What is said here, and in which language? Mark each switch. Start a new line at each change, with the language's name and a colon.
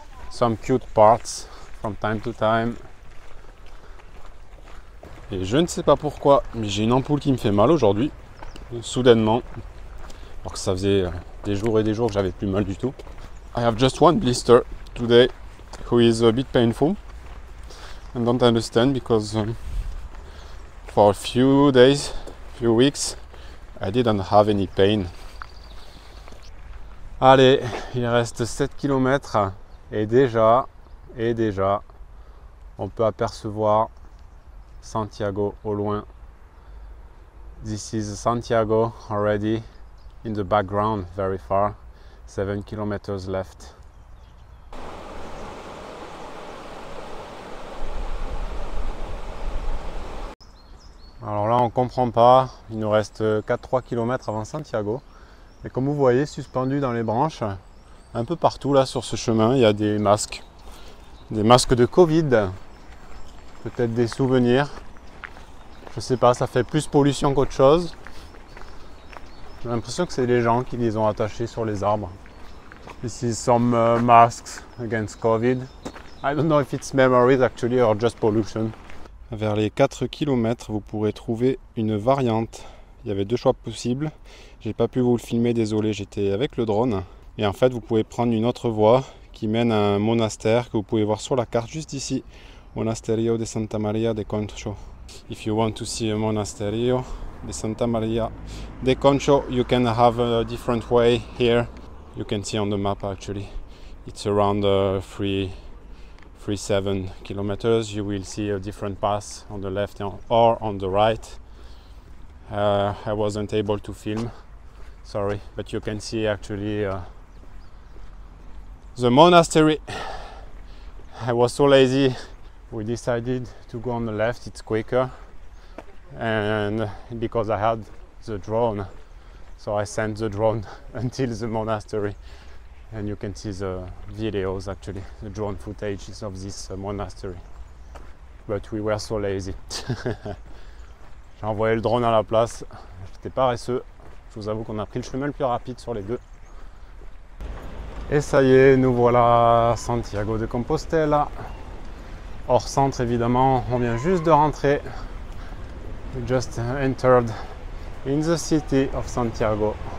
English: Some cute parts from time to time.
French: Et je ne sais pas pourquoi, mais j'ai une ampoule qui me fait mal aujourd'hui, soudainement. Alors que ça faisait des jours et des jours que j'avais plus mal du tout.
English: I have just one blister today, who is a bit painful. I don't understand because for a few days, few weeks, I didn't have any pain.
French: Allez, il reste 7 km. Et déjà, on peut apercevoir Santiago au loin.
English: This is Santiago already in the background, very far. 7 kilometers left.
French: Alors là, on comprend pas. Il nous reste 4-3 kilomètres avant Santiago. Mais comme vous voyez, suspendu dans les branches, un peu partout là sur ce chemin, il y a des masques de Covid, peut-être des souvenirs, je sais pas, ça fait plus pollution qu'autre chose. J'ai l'impression que c'est les gens qui les ont attachés sur les arbres.
English: This is some masks against Covid. I don't know if it's memories actually or just pollution.
French: Vers les 4 km, vous pourrez trouver une variante. Il y avait deux choix possibles. J'ai pas pu vous le filmer, désolé, j'étais avec le drone. Et en fait, vous pouvez prendre une autre voie qui mène à un monastère que vous pouvez voir sur la carte juste ici. Monasterio de Santa Maria de Concho.
English: If you want to see a Monasterio de Santa Maria de Concho, you can have a different way here. You can see on the map actually. It's around 3-7 kilometers. You will see a different path on the left or on the right. I wasn't able to film. Sorry, but you can see actually the monastery. I was so lazy, we decided to go on the left, it's quicker, and because I had the drone, so I sent the drone until the monastery, and you can see the videos actually, the drone footage is of this monastery, but we were so lazy.
French: J'ai envoyé le drone à la place, j'étais paresseux, je vous avoue qu'on a pris le chemin le plus rapide sur les deux. Et ça y est, nous voilà Santiago de Compostela. Hors centre évidemment, on vient juste de rentrer.
English: We just entered in the city of Santiago.